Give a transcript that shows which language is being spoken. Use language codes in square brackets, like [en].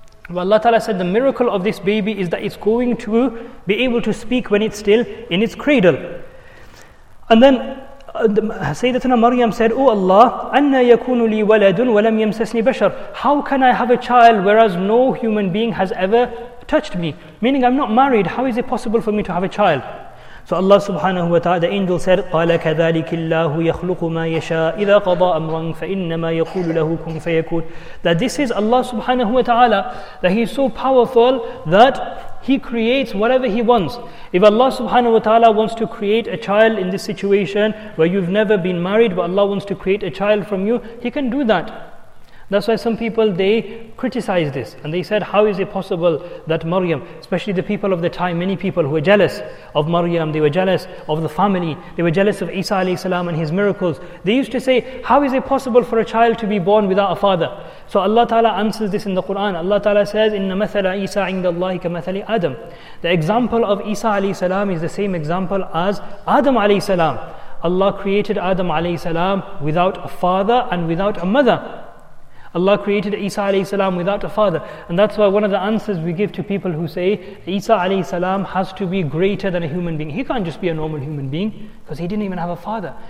[en] But Allah Ta'ala said the miracle of this baby is that it's going to be able to speak when it's still in its cradle. And then Sayyidatuna Maryam said, O Allah, [ar] anna yakunu li waladun wa lam yamsasni bashar. [en] How can I have a child whereas no human being has ever touched me? Meaning I'm not married, how is it possible for me to have a child? So Allah subhanahu wa ta'ala, the angel said, [ar] قَالَ كَذَلِكِ اللَّهُ يَخْلُقُ مَا يَشَاءُ إِذَا قَضَى أَمْرًا فَإِنَّمَا يَقُولُ لَهُ كُنْ فَيَكُونَ. [en] That this is Allah subhanahu wa ta'ala, that He is so powerful that He creates whatever He wants. If Allah subhanahu wa ta'ala wants to create a child in this situation where you've never been married, but Allah wants to create a child from you, He can do that. That's why some people, they criticize this. And they said, how is it possible that Maryam, especially the people of the time, many people who were jealous of Maryam, they were jealous of the family, they were jealous of Isa alayhi salam and his miracles. They used to say, how is it possible for a child to be born without a father? So Allah Ta'ala answers this in the Quran. Allah Ta'ala says, [ar] إِنَّ مَثَلَ عِيسَى عِنْدَ اللَّهِ كَمَثَلِ Adam. [en] The example of Isa alayhi salam is the same example as Adam alayhi salam. Allah created Adam alayhi salam without a father and without a mother. Allah created Isa alayhi salam without a father. And that's why one of the answers we give to people who say Isa alayhi salam has to be greater than a human being. He can't just be a normal human being because he didn't even have a father.